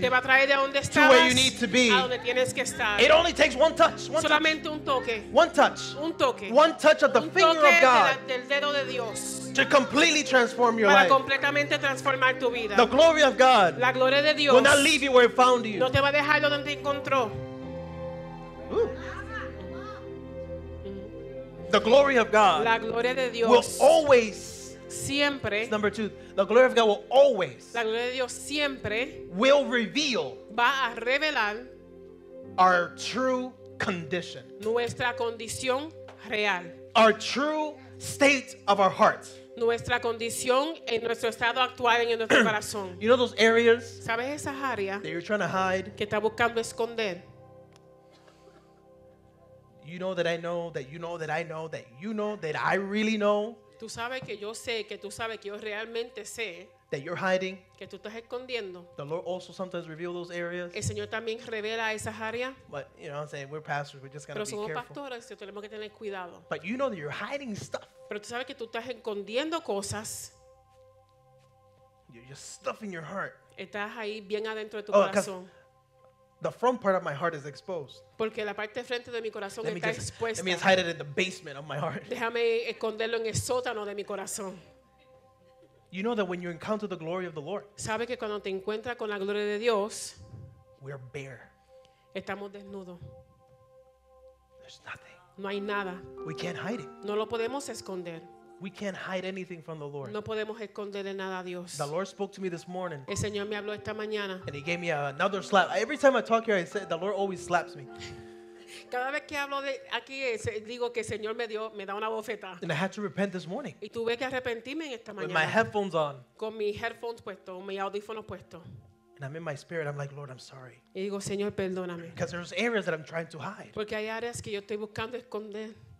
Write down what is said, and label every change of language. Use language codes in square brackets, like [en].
[es] Te va a traer de donde estabas, [en] to where you need to be. [es] A donde tienes que estar. [en] It only takes one touch. One [es] solamente [en] touch. [es] Un toque. [en] One touch. [es] Un toque. [en] One touch of the finger of God. [es] Un toque del dedo de Dios. [en] To completely transform your [es] para [en] life. [es] Completamente transformar tu vida. [en] The glory of God. [es] La gloria de Dios. [en] Will not leave you where it found you. [es] No te va a dejar donde te encontró. [en] The glory of God. [es] La gloria de Dios. [en] Will always. [es] Siempre. [en] It's number two. The glory of God will always. [es] La gloria de Dios siempre. [en] Will reveal. [es] Va a revelar. [en] Our true condition. [es] Nuestra condición real. [en] Our true state of our hearts. [es] Nuestra condición en nuestro estado actual en nuestro corazón. [en] You know those areas? [es] ¿Sabes esas áreas? [en] That you're trying to hide. [es] Que está buscando esconder. [en] You know that I know that you know that I know that you know that I really know. [es] Tú sabes que yo sé que tú sabes que yo realmente sé. [en] That you're hiding. [es] Que tú estás escondiendo. [en] The Lord also sometimes reveals those areas. [es] El Señor también revela esas áreas. [en] But you know what I'm saying? We're pastors. We're just going to be careful. [es] Pastores, tenemos que tener cuidado. [en] But you know that you're hiding stuff. [es] Pero tú sabes que tú estás escondiendo cosas. [en] You're just stuffing your heart. [es] Estás ahí bien adentro de tu corazón. [en] The front part of my heart is exposed. [es] Porque la parte de frente de mi corazón [en] let [es] está [en] just, [es] expuesta. [en] Let me just hide it in the basement of my heart. [es] Déjame esconderlo en el sótano de mi corazón. [en] You know that when you encounter the glory of the Lord, [es] sabe que cuando te encuentras con la gloria de Dios, [en] we are bare. [es] Estamos desnudos. [en] There's nothing. [es] No hay nada. [en] We can't hide it. [es] No lo podemos esconder. [en] We can't hide anything from the Lord. [es] No podemos esconderle nada a Dios. [en] The Lord spoke to me this morning. [es] El Señor me habló esta mañana. [en] And he gave me another slap. Every time I talk here, I say the Lord always slaps me. [es] Cada vez que hablo de aquí digo que el Señor me da una bofeta. [en] And I had to repent this morning. [es] Y tuve que arrepentirme en esta mañana. [en] With my headphones on. [es] Con mis headphones puestos, mis audífonos puestos. [en] And I'm in my spirit. I'm like, Lord, I'm sorry. [es] Y digo, Señor, perdóname. [en] Because there's areas that I'm trying to hide. [es] Porque hay áreas que yo estoy buscando esconder.